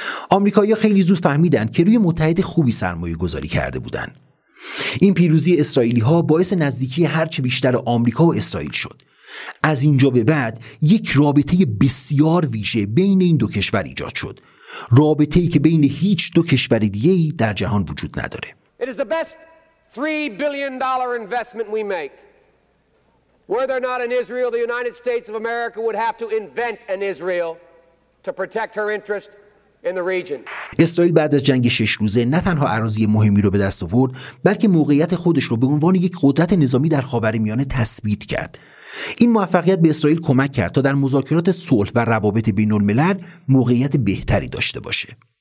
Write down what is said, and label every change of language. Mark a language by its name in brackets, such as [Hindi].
[Persian] آمریکایی‌ها خیلی زود فهمیدند که روی متحد خوبی سرمایه‌گذاری کرده بودند. این پیروزی اسرائیلی‌ها باعث نزدیکی هرچه بیشتر آمریکا و اسرائیل شد. از اینجا به بعد یک رابطه بسیار ویژه بین این دو کشور ایجاد شد، رابطه‌ای که بین هیچ دو کشور دیگه‌ای در جهان وجود نداره. [English] It is the best $3 billion investment we make. Were there not an Israel, the United States of America would have to invent an Israel to protect her interest. [Persian] اسرائیل بعد از جنگ 6 روزه نه تنها اراضی مهمی رو به دست آورد، بلکه موقعیت خودش رو به عنوان یک قدرت نظامی در خاورمیانه تثبیت کرد. این موفقیت به اسرائیل کمک کرد تا در مذاکرات صلح و روابط بین الملل موقعیت بهتری داشته باشه.